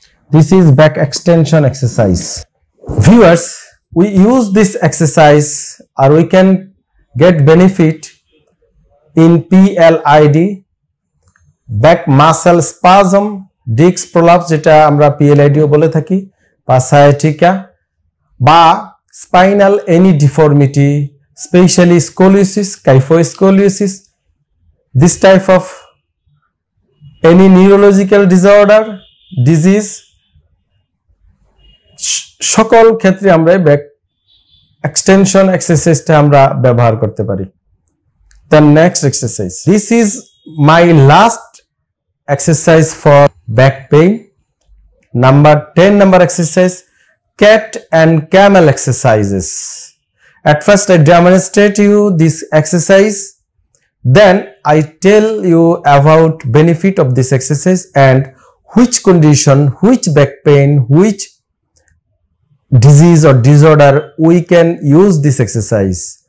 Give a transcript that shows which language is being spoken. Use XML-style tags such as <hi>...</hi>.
<en>This is back extension exercise. Viewers, we use this exercise or we can get benefit in PLID, back muscle spasm, disc prolapse,</en> <bn>jeta amra PLID o bole thaki,</bn> <en>ba sciatica, ba spinal any deformity, specially scoliosis, kyphoscoliosis, this type of any neurological disorder disease,</en> <bn>সকল ক্ষেত্রে আমরা back extension এক্সারসাইজটা আমরা ব্যবহার করতে পারি।</bn> <en>Then next exercise, this is my last exercise for back pain, number 10 number exercise, cat and camel exercises. At first, I demonstrate you this exercise. Then, I tell you about benefit of this exercise and which condition, which back pain, which disease or disorder we can use this exercise.</en>